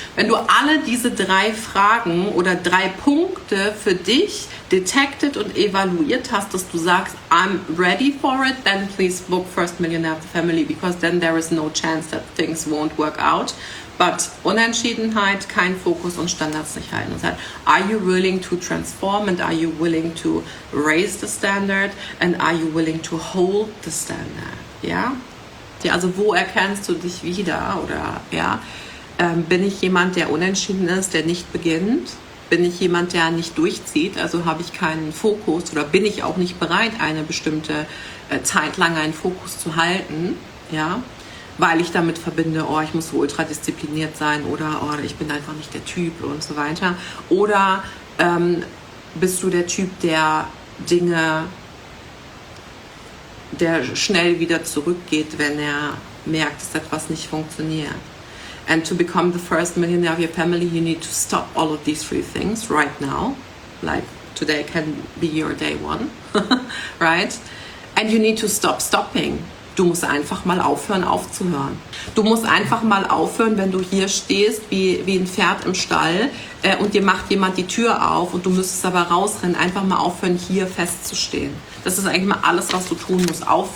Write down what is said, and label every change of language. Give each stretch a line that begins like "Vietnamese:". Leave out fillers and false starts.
German: Wenn du alle diese 3 Fragen oder 3 Punkte für dich detected und evaluiert hast, dass du sagst,
English: I'm ready for it, then please book First Millionaire Family, because then there is no chance that things won't work out.
German: But Unentschiedenheit, kein Fokus und Standards nicht halten. Das heißt,
English: are you willing to transform and are you willing to raise the standard and are you willing to hold the standard?
German: Ja? Ja, also wo erkennst du dich wieder oder ja, bin ich jemand, der unentschieden ist, der nicht beginnt, bin ich jemand, der nicht durchzieht, also habe ich keinen Fokus oder bin ich auch nicht bereit, eine bestimmte Zeit lang einen Fokus zu halten, ja, weil ich damit verbinde, oh, ich muss so ultradiszipliniert sein oder oh, ich bin einfach nicht der Typ und so weiter. Oder bist du der Typ, der Dinge, der schnell wieder zurückgeht, wenn er merkt, dass etwas nicht funktioniert?
English: And to become the first millionaire of your family, you need to stop all of these three things right now. Like, today can be your day one, right? And you need to stop stopping.
German: Du musst einfach mal aufhören, aufzuhören. Du musst einfach mal aufhören, wenn du hier stehst wie ein Pferd im Stall und dir macht jemand die Tür auf und du müsstest aber rausrennen, einfach mal aufhören, hier festzustehen. Das ist eigentlich mal alles, was du tun musst.